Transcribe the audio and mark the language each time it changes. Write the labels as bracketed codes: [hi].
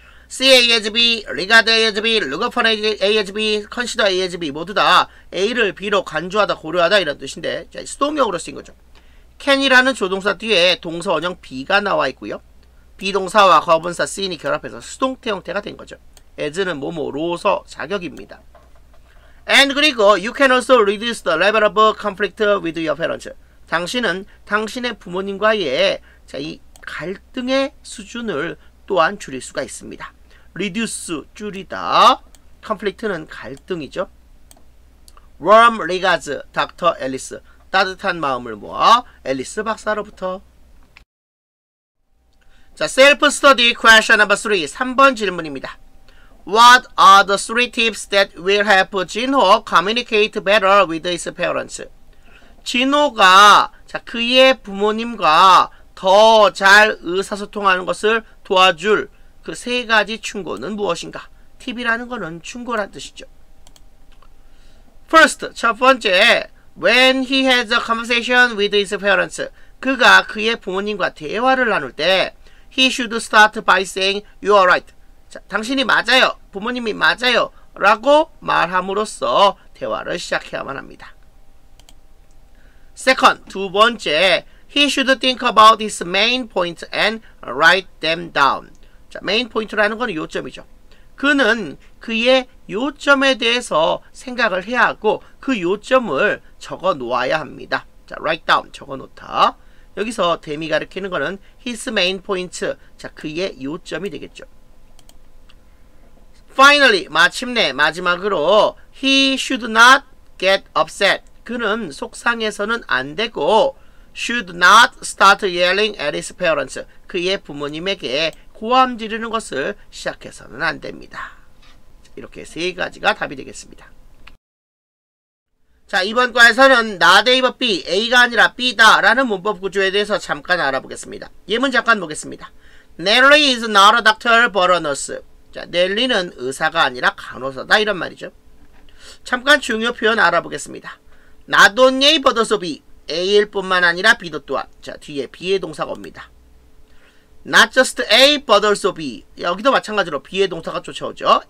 [en] See ASB, regard ASB, look upon ASB, consider ASB [ko] 모두 다 A를 B로 간주하다, 고려하다 이런 뜻인데, 자, 수동형으로 쓰인 거죠. can이라는 조동사 뒤에 동사 원형 B가 나와 있고요. B동사와 과분사 C이 결합해서 수동태 형태가 된 거죠. as는 뭐뭐로서 자격입니다. [en] And 그리고 you can also reduce the level of conflict with your parents. [ko] 당신은 당신의 부모님과의 이 갈등의 수준을 또한 줄일 수가 있습니다. reduce, 줄이다. conflict는 갈등이죠. [en] warm regards, Dr. Alice. [ko] 따뜻한 마음을 모아 앨리스 박사로부터. [en] 자, self-study question number 3, [ko] 3번 질문입니다. [en] What are the three tips that will help Jin-ho communicate better with his parents? [ko] Jin-ho가 그의 부모님과 더 잘 의사소통하는 것을 도와줄 그 세 가지 충고는 무엇인가? tip이라는 것은 충고란 뜻이죠. [en] First, 첫 번째, when he has a conversation with his parents, [ko] 그가 그의 부모님과 대화를 나눌 때, [en] he should start by saying, you are right. [ko] 자, 당신이 맞아요. 부모님이 맞아요. 라고 말함으로써 대화를 시작해야만 합니다. [en] Second, 두 번째, he should think about his main points and write them down. [ko] 자, 메인 포인트라는 건 요점이죠. 그는 그의 요점에 대해서 생각을 해야 하고 그 요점을 적어 놓아야 합니다. 자, write down, 적어 놓다. 여기서 데미 가르키는 거는 his main points, 자, 그의 요점이 되겠죠. [en] Finally, [ko] 마침내, 마지막으로 [en] he should not get upset. [ko] 그는 속상해서는 안 되고 [en] should not start yelling at his parents. [ko] 그의 부모님에게 고함 지르는 것을 시작해서는 안 됩니다. 이렇게 세 가지가 답이 되겠습니다. 자, 이번 과에서는 not A but B, A가 아니라 B다 라는 문법 구조에 대해서 잠깐 알아보겠습니다. 예문 잠깐 보겠습니다. [en] Nelly is not a doctor but a nurse. [ko] 자, 넬리는 의사가 아니라 간호사다 이런 말이죠. 잠깐 중요 표현 알아보겠습니다. [en] Not only A but also B, [ko] A일 뿐만 아니라 B도 또한. 자, 뒤에 B의 동사가 옵니다. [en] Not just A but also B, [ko] 여기도 마찬가지로 B의 동사가 쫓아오죠.